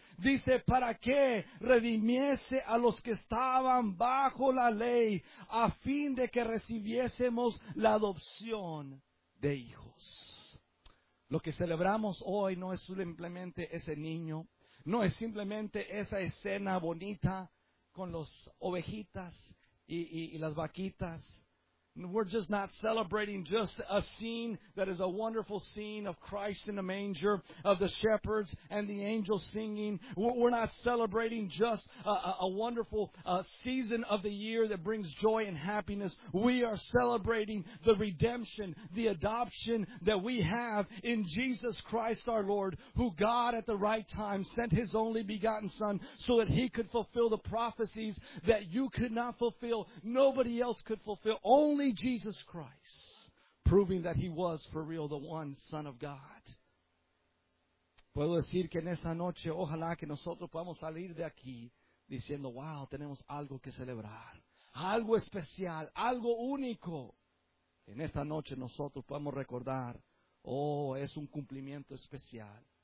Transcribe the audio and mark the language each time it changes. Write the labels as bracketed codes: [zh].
[es] Dice, ¿para qué? Redimiese a los que estaban bajo la ley, a fin de que recibiésemos la adopción de hijos. Lo que celebramos hoy no es simplemente ese niño, no es simplemente esa escena bonita con las ovejitas y las vaquitas. [en] We're just not celebrating just a scene that is a wonderful scene of Christ in a manger, of the shepherds and the angels singing. We're not celebrating just a wonderful season of the year that brings joy and happiness. We are celebrating the redemption, the adoption that we have in Jesus Christ our Lord, who God at the right time sent His only begotten Son so that He could fulfill the prophecies that you could not fulfill, nobody else could fulfill, only Jesus Christ, proving that He was for real the one Son of God. [es] Puedo decir que en esta noche, ojalá que nosotros podamos salir de aquí diciendo, wow, tenemos algo que celebrar. algo especial, algo único. En esta noche nosotros podemos recordar, oh, es un cumplimiento especial.